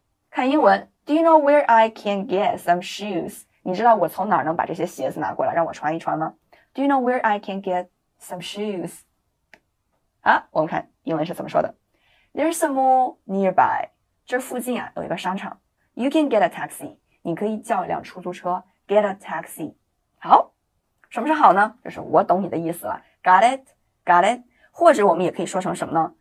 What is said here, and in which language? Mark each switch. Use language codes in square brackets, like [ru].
[zh] 看英文， [en] Do you know where I can get some shoes? [zh] 你知道我从哪儿能把这些鞋子拿过来让我穿一穿吗？ [en] Do you know where I can get some shoes? [zh] 好，我们看英文是怎么说的。 [en] There's a mall nearby. [zh] 这附近啊有一个商场。 [en] You can get a taxi. [zh] 你可以叫一辆出租车。 [en] Get a taxi. [zh] 好，什么是好呢？就是我懂你的意思了。 [en] Got it? Got it? [zh] 或者我们也可以说成什么呢？